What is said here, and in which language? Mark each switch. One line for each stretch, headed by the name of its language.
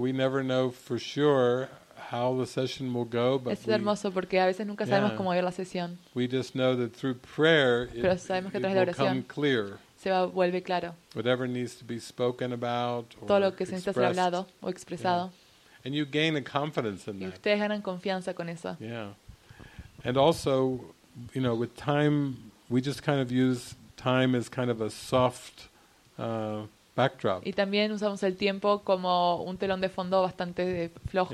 English: We never know for sure how the session will go, but
Spanish: es hermoso porque a veces nunca sabemos cómo va la sesión.
English: We just know that through prayer
Spanish: pero sabemos que a través de la oración se va, vuelve claro.
English: Whatever needs to be spoken about or
Spanish: todo lo que se necesita ser hablado o expresado.
English: Yeah. And you gain a confidence in
Spanish: y ustedes ganan confianza con eso. Yeah. And also, you know, with time, we just kind of use time as kind of a soft backdrop. Y también usamos el tiempo como un telón de fondo bastante flojo,